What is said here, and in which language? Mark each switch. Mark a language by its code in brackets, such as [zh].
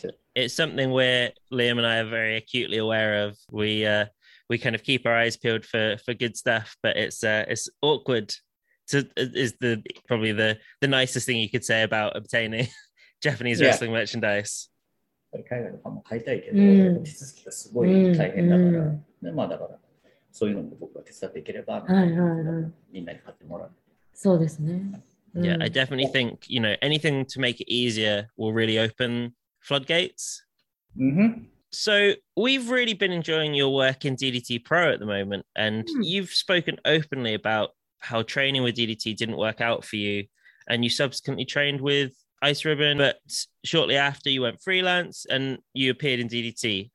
[en] Yeah, it's something where Liam and I are very acutely aware of. We kind of keep our eyes peeled for good stuff, but it's awkward. Probably the nicest thing you could say about obtaining Japanese wrestling merchandise. [ja] 海外の版も買いたいけど、うん、手続きがすごい大変だから、うんね、まあだからそういうのも僕は手伝っていければ、はいはいはい、みんなに買ってもらう。そうですね。 [en] Yeah, I definitely think, you know, anything to make it easier will really open floodgates. Mm-hmm. So we've really been enjoying your work in DDT Pro at the moment, and you've spoken openly about how training with DDT didn't work out for you, and you subsequently trained with Ice Ribbon, but shortly after you went freelance and you appeared in DDT.